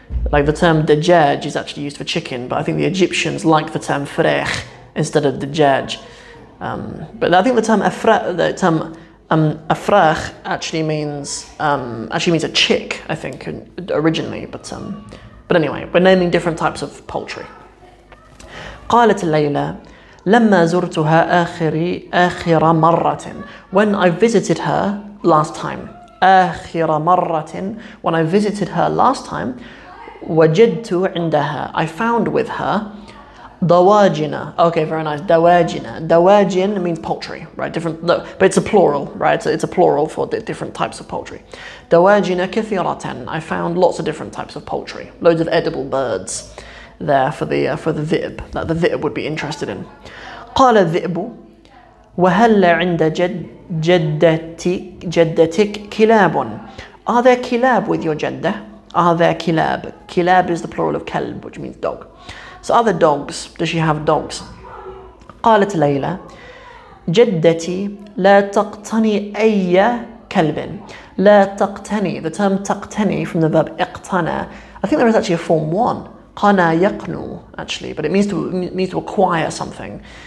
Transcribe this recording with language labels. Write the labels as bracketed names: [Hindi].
[English] Like the term dajaj is actually used for chicken, but I think the Egyptians like the term frech instead of dajaj. But I think the term afrech actually means a chick, I think, originally. But anyway, we're naming different types of poultry. [Arabic] قالت ليلى لما زرتها آخر مرة. [English] When I visited her last time. [Arabic] آخر مرة. [English] When I visited her last time. [Arabic] وجدت عندها. [English] I found with her. دواجنا. Okay, very nice. دواجنا. دواجن means poultry, right? Different. No, but it's a plural, right? It's a plural for the different types of poultry. [Arabic] دواجنا كثيرة. [English] I found lots of different types of poultry. Loads of edible birds there for the ذئب, that the ذئب would be interested in. [Arabic] قال الذئب وهل عند جدتك كلاب. [English] Are there كلاب with your جدة? Are there كلاب? كلاب is the plural of كلب, which means dog. So are there dogs? Does she have dogs? [Arabic] قالت ليلى جدتي لا تقتني أي كلب. لا تقتني. [English] The term تقتني from the verb اقتنى. I think there is actually a form one. قنا يقنو, actually, but it means to acquire something.